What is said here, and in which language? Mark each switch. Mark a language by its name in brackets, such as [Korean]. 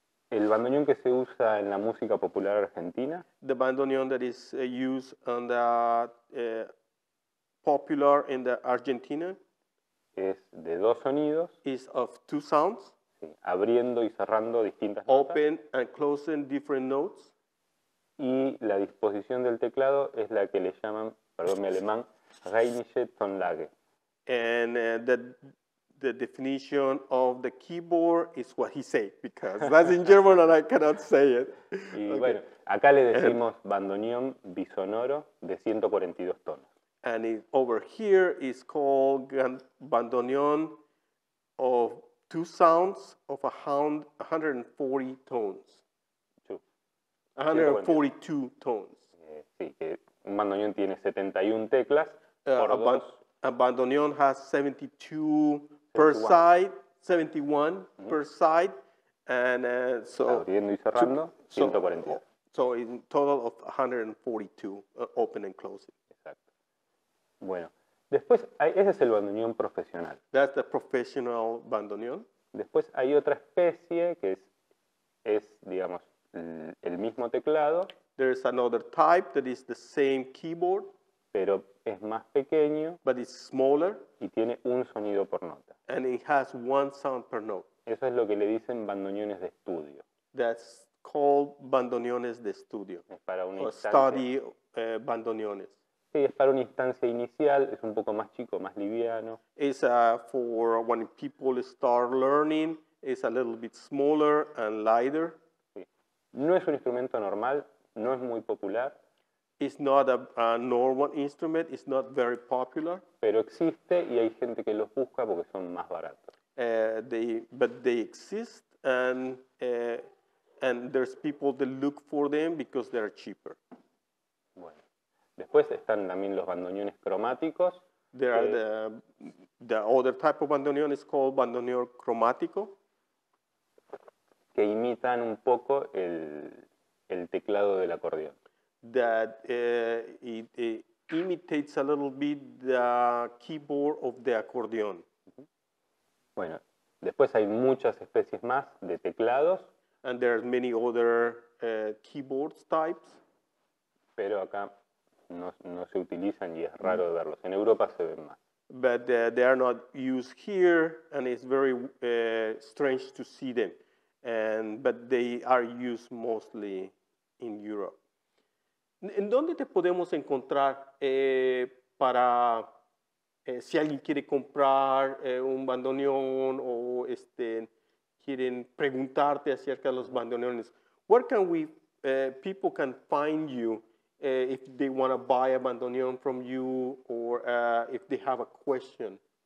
[Spanish] El bandoneón que se usa en la música popular argentina. [English] The bandoneón that is used on the popular in the Argentina. [Spanish] Es de dos sonidos. [English] Is of two sounds. [Spanish] Sí, abriendo y cerrando distintas [English] notas. Open and closing different notes. [Spanish] Y la disposición del teclado es la que le llaman, perdón mi alemán, Rheinische Tonlage. [English] And the definition of the keyboard is what he said, because that's in German and I cannot say it. [Spanish] Y okay. Bueno, acá le decimos bandoneón bisonoro de 142 tonos. [English] And it, over here is called bandoneón of two sounds of 140 tones. 142 tones. [Spanish] Sí, que un bandoneón tiene 71 teclas [English] A bandoneón has 72 per side, 71 per side, and so [Spanish] abriendo y cerrando, 142. [English] So in total of 142 open and closing. [Spanish] Exacto. Bueno, después ese es el bandoneón profesional. [English] That's the professional bandoneón. [Spanish] Después hay otra especie que es digamos el mismo teclado. [English] There is another type that is the same keyboard. [Spanish] Pero es más pequeño. [English] But it's smaller. [Spanish] Y tiene un sonido por nota. [English] And it has one sound per note. [Spanish] Eso es lo que le dicen bandoneones de estudio. [English] That's called [Spanish] bandoneones de estudio. Es para una instancia. [English] Study bandoneones. [Spanish] Sí, es para una instancia inicial. Es un poco más chico, más liviano. [English] It's for when people start learning. It's a little bit smaller and lighter. [Spanish] Sí. No es un instrumento normal. No es muy popular. [English] It's not a normal instrument. It's not very popular. [Spanish] Pero existe y hay gente que los busca porque son más baratos. [English] But they exist and there's people that look for them because they're cheaper. [Spanish] Bueno, después están también los bandoneones cromáticos. [English] There are the other type of bandoneon is called bandoneón cromático. [Spanish] Que imitan un poco el teclado del acordeón. [English] That it imitates a little bit the keyboard of the accordion. [Spanish] Bueno, después hay muchas especies más de teclados. [English] And there are many other keyboard types. [Spanish] Pero acá no se utilizan y es raro de verlos. En Europa se ven más. [English] But they are not used here and it's very strange to see them. but they are used mostly in Europe. [Spanish] ¿En dónde te podemos encontrar para si alguien quiere comprar un bandoneón o quieren preguntarte acerca de los bandoneones? [English] Where can we people can find you if they want to buy a bandoneón from you or if they have a question?